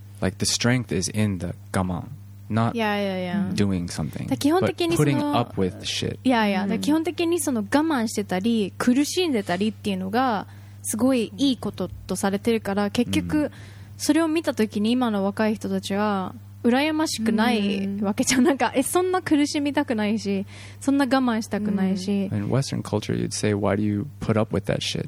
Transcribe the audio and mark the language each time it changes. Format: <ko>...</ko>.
<en>Like the strength is in the 我慢Not doing something. But putting up with shit. Yeah, yeah.</en> <ja>だ基本的にその我慢してたり苦しんでたりっていうのがすごいいいこととされてるから結局それを見た時に今の若い人たちは羨ましくないわけじゃん。なんかそんな苦しみたくないしそんな我慢したくないし。</ja> <en>In Western culture, you'd say, why do you put up with that shit?</en>